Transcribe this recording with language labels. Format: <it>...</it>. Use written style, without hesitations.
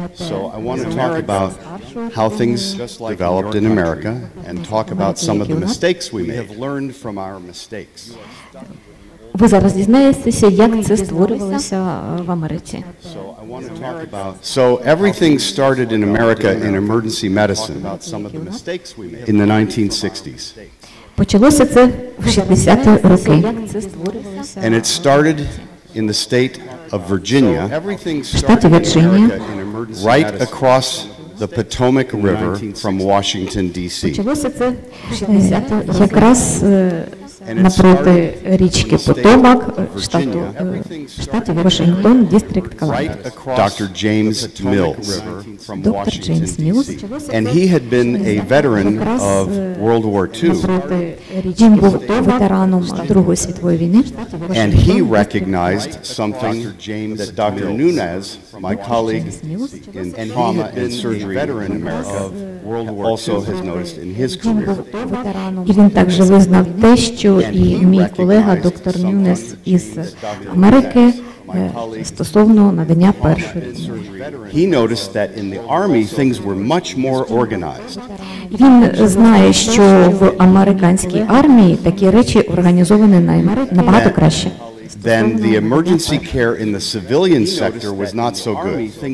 <en>So I want to talk about how things developed in America and talk about some of the mistakes we made. We have learned from our mistakes.</en> <uk>Ви зараз дізнаєтеся, як це створювалося в Америці.</uk> <en>So everything started in America in emergency medicine in the 1960s.</en> <uk>Почалося це в 60-ті роки.</uk> <en>And it started in the state of Virginia,</en> <uk>штаті Вірджинія,</uk> <en>right across the Potomac River from Washington, D.C.</en> <uk>Почалося це в 60-ті, якраз напроти річки Потомак, штаті Вашингтон, дистрикт Колумбія.</uk> <en>Dr. James Mills.</en> <uk>Доктор Джеймс Міллс.</uk> <en>And he had been a veteran of World War II.</en> <uk>Він був ветераном Другої світової війни.</uk> <en>And he recognized something that Dr. Nunez, my colleague in trauma and surgery, veteran of World War II, also has noticed in his career.</en> <uk>І він також визнав те, що і мій колега доктор Нюнес із Америки стосовно надання першої</uk> <en>He noticed that in the army things were much more organized.</en> <uk>Він знає, що в американській армії такі речі організовані набагато краще.</uk> <en>then the emergency care in the civilian sector was not so good.</en>